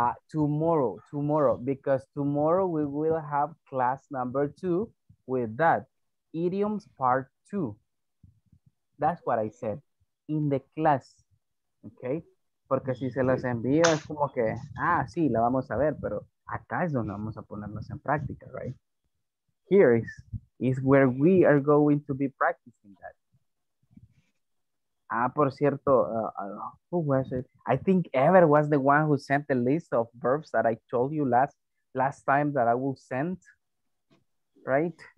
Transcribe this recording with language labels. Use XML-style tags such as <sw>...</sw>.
<en>Tomorrow, because tomorrow we will have class number two with that, idioms part two. That's what I said, in the class, okay?</en> <es>Porque si se las envía, es como que, sí, la vamos a ver, pero acá es donde vamos a ponernos en práctica, right?</es> <en>Here is where we are going to be practicing that.</en> <es>Por cierto,</es> <en>who was it? I think Ever was the one who sent the list of verbs that I told you last time that I will send, right?</en>